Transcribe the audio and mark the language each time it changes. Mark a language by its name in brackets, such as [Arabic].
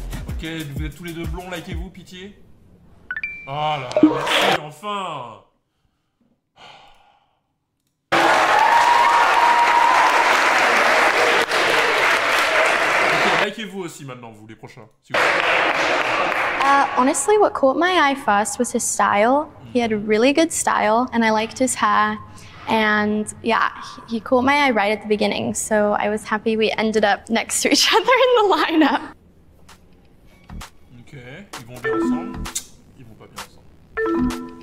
[French] Ok, vous êtes tous les deux blonds, likez-vous, pitié. Oh là là, merci, enfin. Okay, likez-vous aussi maintenant, vous, les prochains, s'il vous plaît. [English] Honestly, what caught my eye first was his style. He had a really good style, and I liked his hair. And yeah, he caught my eye right at the beginning, so I was happy we ended up next to each other in the lineup. [French] Ok, ils vont bien ensemble, ils vont pas bien ensemble.